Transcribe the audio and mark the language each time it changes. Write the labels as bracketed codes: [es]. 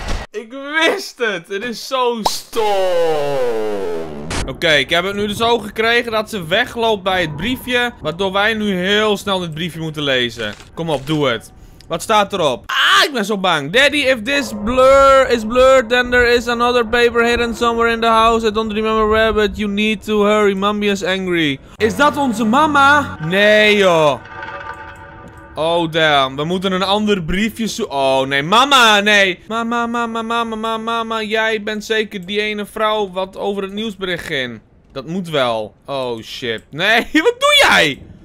[nl] Ik wist het. Het is zo stom. Oké, ik heb het nu dus ook gekregen dat ze wegloopt bij het briefje. Waardoor wij nu heel snel dit briefje moeten lezen. Kom op, doe het. Wat staat erop? Ah, ik ben zo bang. [en] Daddy, if this blur is blurred, then there is another paper hidden somewhere in the house. I don't remember where, but you need to hurry. Mommy is angry. [nl] Is dat onze mama? Nee, joh. [en] Oh damn, [nl] we moeten een ander briefje zoeken. Oh nee, mama, nee. Mama, mama, mama, mama, mama, jij bent zeker die ene vrouw wat over het nieuwsbericht ging. Dat moet wel. [en] Oh shit. [nl] Nee, wat doe jij?